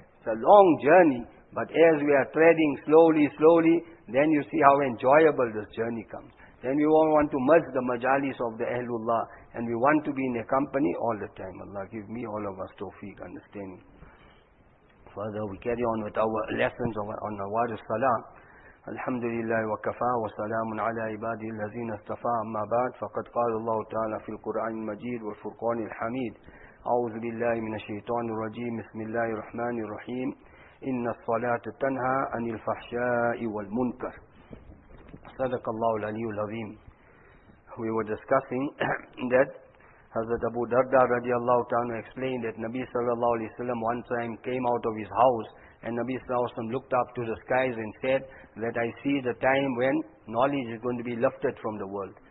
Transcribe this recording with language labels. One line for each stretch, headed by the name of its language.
English: It's a long journey, but as we are treading slowly, slowly, then you see how enjoyable this journey comes. Then we all want to merge the majalis of the Ahlullah, and we want to be in a company all the time. Allah, give me all of us tawfiq, understanding. Further, we carry on with our lessons on the Wadi Salah.
Arabic: الحمد لله وكفى وسلام على عباده الذين استفى أما بعد فقد قال الله تعالى في القرآن المجيد والفرقان الحميد أعوذ بالله من الشيطان الرجيم بسم الله الرحمن الرحيم إن الصلاة تنهى عن الفحشاء والمنكر صدق الله العلي العظيم.
English: We were discussing that Hazrat Abu Darda رضي الله تعالى explained that Nabi صلى الله عليه وسلم one time came out of his house and Nabi صلى الله عليه وسلم looked up to the skies and said that I see the time when knowledge is going to be lifted from the world.